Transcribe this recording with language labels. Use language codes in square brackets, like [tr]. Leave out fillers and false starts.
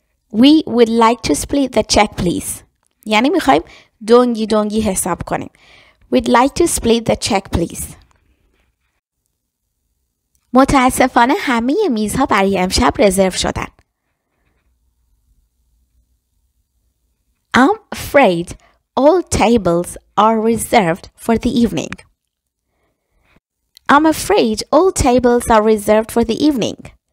[en] We would like to split the check, please. [fa] یعنی میخواییم دونگی دونگی حساب کنیم. [en] We'd like to split the check, please. [fa] متاسفانه همه میزها برای امشب رزرو شدن. [en] I'm afraid all tables are reserved for the evening. I'm afraid all tables are reserved for the evening.